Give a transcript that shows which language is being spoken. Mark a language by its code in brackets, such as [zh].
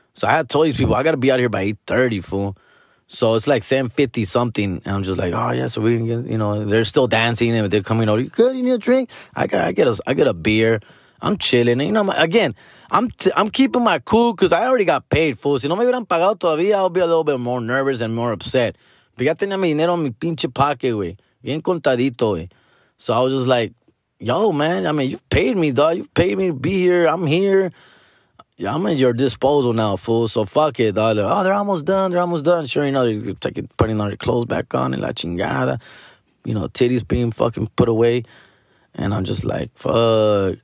[en] So I had told these people, I got to be out here by 8:30, fool. So it's like 7:50-something, and I'm just like, oh, yeah, so we can get, you know, they're still dancing, and they're coming over. You good? You need a drink? I get a beer. I'm chilling. And, you know, I'm keeping my cool because I already got paid, fool. [es] Si no me hubieran pagado todavía, [en] I'll be a little bit more nervous and more upset. [es] But ya tenía mi dinero en mi pinche paque, güey. Bien contadito, güey. [en] So I was just like, yo, man, I mean, you've paid me, dog. You've paid me to be here. I'm here. Yeah, I'm at your disposal now, fool. So fuck it, dog. Like, oh, they're almost done. Sure enough, they're putting all their clothes back on and [es] la chingada. [en] You know, titties being fucking put away. And I'm just like, fuck.